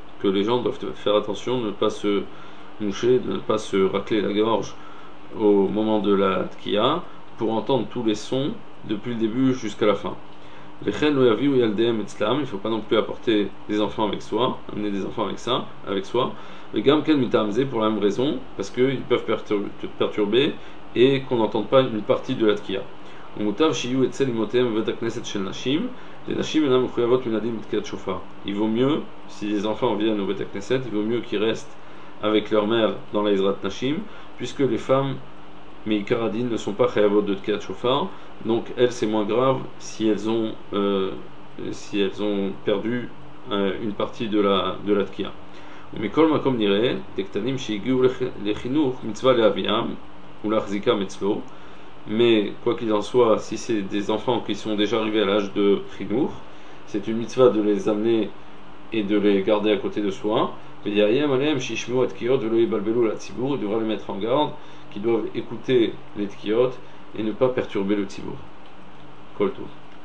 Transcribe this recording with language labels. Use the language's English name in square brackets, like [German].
[French] Que les gens doivent faire attention de ne pas se moucher, de ne pas se racler la gorge au moment de la tkia, pour entendre tous les sons depuis le début jusqu'à la fin. pas non plus apporter des enfants avec soi, amener des enfants avec ça, avec soi. Mais [Hebrew] gam ken mitamze [French] pour la même raison, parce qu'ils peuvent perturber et qu'on n'entende pas une partie de la tkiya. [Hebrew] ומותר שיהיו אצל אמותיהם בבית הכנסת של נשים, לנשים אינם מחויבות מן הדין בתקיעת שופר. [French] Il vaut mieux, si les enfants viennent au bet haknesset, il vaut mieux qu'ils restent avec leur mère dans la izrat nashim, puisque les femmes, mais ikar hadin, ne sont pas chayavot de tkiyat shofar, donc elles c'est moins grave si elles ont perdu une partie de la tkiya. [Hebrew] ומכל מקום נראה, דקטנים שהגיעו לחינוך מצווה להביאם ולהחזיקם אצלו. [French] Mais quoi qu'il en soit, si c'est des enfants qui sont déjà arrivés à l'âge de Khinour, c'est une mitzvah de les amener et de les garder à côté de soi. Il devra les mettre en garde, qu'ils doivent écouter les tkiyot et ne pas perturber le tzibour. [Hebrew] Kol tov.